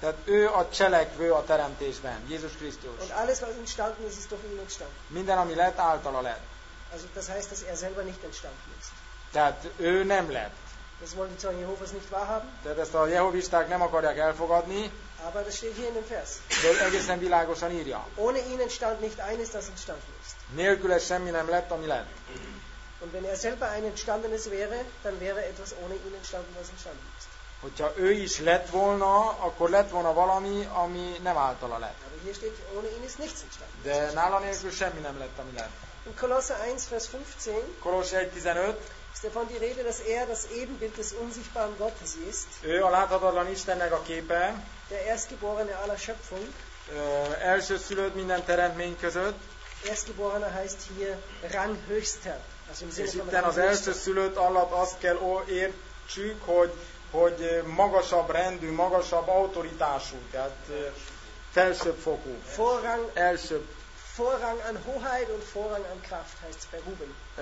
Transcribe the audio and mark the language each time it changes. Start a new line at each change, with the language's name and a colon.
Hungarian: Tehát ő a cselekvő a teremtésben, Jézus Krisztus.
German: Und alles was entstanden ist, ist durch ihn entstanden.
Hungarian: Minden ami lett, általa lett.
German: Also das heißt, dass er selber nicht entstanden ist.
Hungarian: Tehát ő nem lett.
German: Das wollen die Zeugen Jehovas nicht wahrhaben.
Hungarian: Tehát ezt a jehovisták nem akarják elfogadni.
German: Aber das steht hier in dem Vers.
Hungarian: De egészen világosan írja.
German: Ohne ihn entstand nicht eines, das entstanden ist.
Hungarian: Nélküle semmi nem lett, ami lett.
German: Und wenn er selber ein entstandenes wäre, dann wäre etwas ohne ihn entstanden, was entstanden ist.
Hungarian: Hogyha ő is lett volna, akkor lett volna valami, ami nem általa lett.
German: Aber hier steht, ohne ihn ist nichts entstanden.
Hungarian: De nála nélkül semmi nem lett, ami lett.
German: In Kolosser 1, Vers 15. Kolosser 1:15. Ist davon die Rede, dass er das Ebenbild des unsichtbaren Gottes ist.
Hungarian: Ő a láthatatlan Istennek a képe.
German: Der Erstgeborene aller Schöpfung.
Hungarian: Elsőszülött minden teremtmény között.
German: Erstgeborener heißt hier Ranghöchster. Also im Sinne von Ranghöchster.
Hungarian: Az elsőszülött alatt azt kell értsük, hogy magasabb rendű, magasabb autoritású, tehát felsőbb fokú.
German: Vorrang.
Hungarian: Elsőbb.
German: Vorrang an Hoheit und Vorrang an Kraft heißt es bei Ruben.